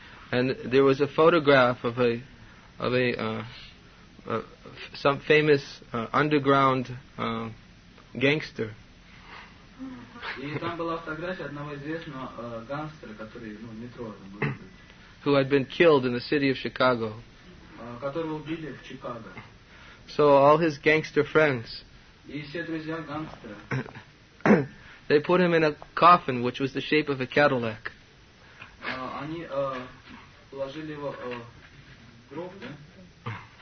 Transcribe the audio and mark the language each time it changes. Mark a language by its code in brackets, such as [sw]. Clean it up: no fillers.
[en] And there was a photograph of some famous underground gangster. [ru] И там была фотография одного известного гангстера, который, ну, метро, может быть. [en] Who had been killed in the city of Chicago. [ru] Которого убили в Чикаго. [en] So all his gangster friends. [ru] И все друзья гангстера. [en] They put him in a coffin which was the shape of a Cadillac. [ru] Они положили его в гроб, да?